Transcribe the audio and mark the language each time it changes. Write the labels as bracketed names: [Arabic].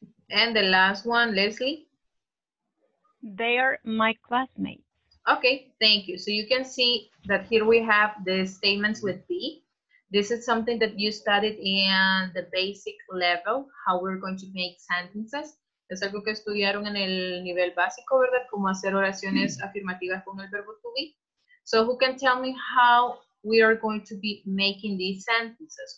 [English] And the last one, Leslie? They are my classmates. Okay, thank you. So you can see that here we have the statements with be. This is something that you studied in the basic level, how we're going to make sentences. [Spanish] Es algo que estudiaron en el nivel básico, ¿verdad? Cómo hacer oraciones afirmativas con el verbo to be. [English] So who can tell me how we are going to be making these sentences?